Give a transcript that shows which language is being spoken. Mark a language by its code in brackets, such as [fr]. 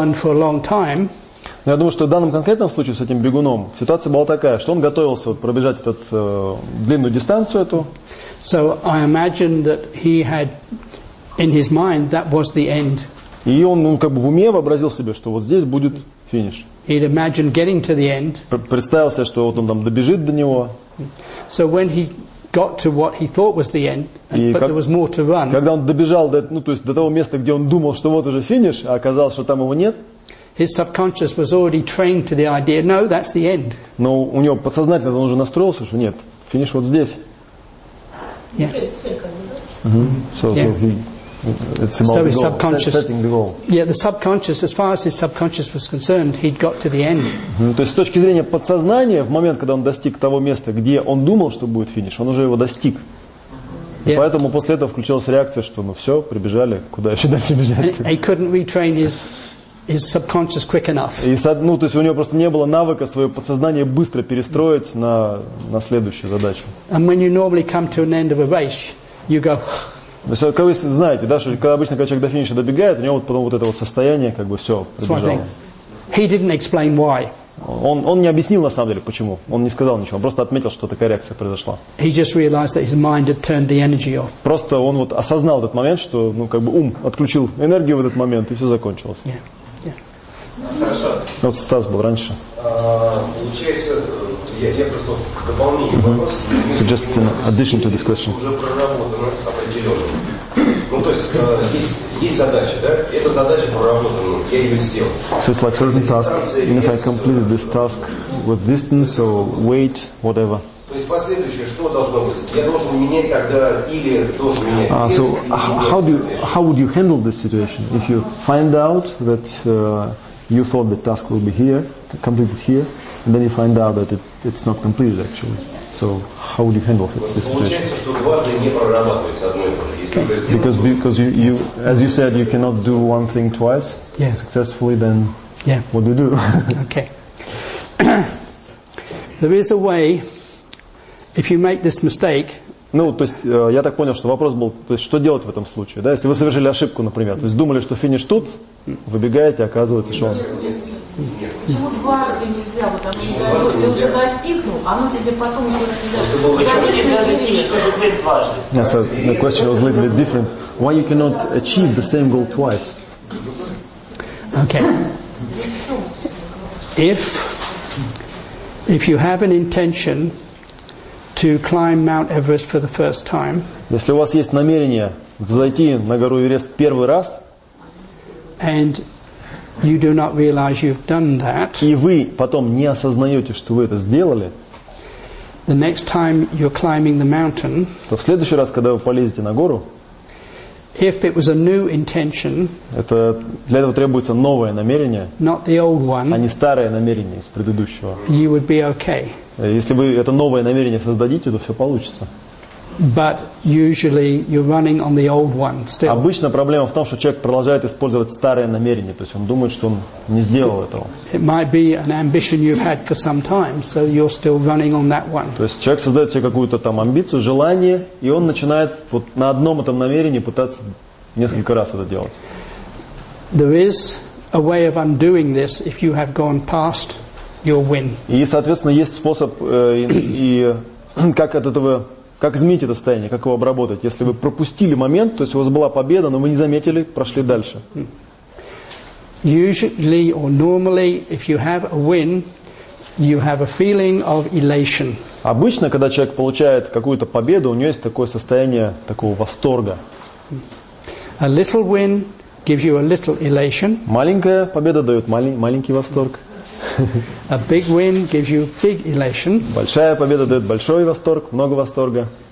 [ru] Я думаю, что в данном конкретном случае с этим бегуном ситуация была такая, что он готовился вот пробежать этот длинную дистанцию эту. [en] So I imagine that he had in his mind that was the end. [ru] И он как бы в уме вообразил себе, что вот здесь будет финиш. [en] He'd imagine getting to the end. [ru] Представил себе, что вот он там добежит до него. [en] So when he got to what he thought was the end, but there was more to run. [ru] Когда он добежал до, ну, то есть до того места, где он думал, что вот уже финиш, а оказалось, что там его нет. [en] His subconscious was already trained to the idea. No, that's the end. [ru] Но у него подсознательно он уже настроился, что нет, финиш вот здесь. [en] Yeah. So his subconscious, setting the goal. Yeah, the subconscious, as far as his subconscious was concerned, he'd got to the end. [ru] То есть с точки зрения подсознания, в момент, когда он достиг того места, где он думал, что будет финиш, он уже его достиг. И поэтому после этого включилась реакция, что ну все, прибежали, куда еще дальше бежать? [en] He couldn't retrain his subconscious quick enough. [ru] И ну то есть у него просто не было навыка свое подсознание быстро перестроить на следующую задачу. [en] And when you normally come to an end of a race, you go. [ru] То есть, как вы знаете, да, что когда обычно когда человек до финиша добегает, у него вот потом вот это вот состояние, как бы все, пробежало. [en] He didn't explain why. [ru] Он не объяснил на самом деле, почему. Он не сказал ничего, он просто отметил, что такая реакция произошла. [en] He just realized that his mind had turned the energy off. [ru] Просто он вот осознал этот момент, что ну как бы ум отключил энергию в этот момент, и все закончилось. Хорошо. Вот Стас был раньше. Получается, я просто к дополнению вопрос. [en] So just in addition to this question. [ru] Уже проработано определенно. Ну, то есть, есть задача, да? Эта задача проработана, я ее сделал. [en] So it's like certain task. And if I completed this task with distance or weight, whatever. [ru] То есть последующее, что должно быть? Я должен менять тогда или должен менять вес? [en] So how would you handle this situation? If you find out that you thought the task will be here, completed here, and then you find out that it's not completed actually. So how would you handle this situation? Because you, as you said, you cannot do one thing twice successfully, then what do you do? Okay. There is a way, if you make this mistake, [ru] ну, то есть, я так понял, что вопрос был, то есть, что делать в этом случае, да, если вы совершили ошибку, например, то есть, думали, что финиш тут, выбегаете, оказывается, что он... Почему дважды нельзя, потому что я уже достигну, а ну тебе потом уже нельзя достичь, тоже цель дважды. [en] Yes, the question was a little bit different. Why you cannot achieve the same goal twice? Okay. If you have an intention to climb Mount Everest for the first time. [ru] Если у вас есть намерение взойти на гору Эверест первый раз, [en] and you do not realize you've done that, [ru] и вы потом не осознаете, что вы это сделали, [en] the next time you're climbing the mountain, [ru] то в следующий раз, когда вы полезете на гору, [en] if it was a new intention, [ru] это для этого требуется новое намерение, [en] not the old one, [ru] а не старое намерение из предыдущего, [en] you would be okay. [ru] Если вы это новое намерение создадите, то все получится. [en] But usually you're running on the old one still. [ru] Обычно проблема в том, что человек продолжает использовать старое намерение, то есть он думает, что он не сделал этого. [en] It might be an ambition you've had for some time, so you're still running on that one. [ru] То есть человек создает себе какую-то там амбицию, желание, и он начинает вот на одном этом намерении пытаться несколько раз это делать. There is a way of undoing this if you have gone past your win. И, соответственно, есть способ как от этого, как изменить это состояние, как его обработать. Если вы пропустили момент, то есть у вас была победа, но вы не заметили, прошли дальше. [en] Usually or normally, if you have a win, you have a feeling of elation. [ru] Обычно, когда человек получает какую-то победу, у него есть такое состояние такого восторга. [en] A little win gives you a little elation. [ru] Маленькая победа дает маленький восторг. [en] A big win gives you big elation. [ru] Большая победа дает большой восторг, много восторга.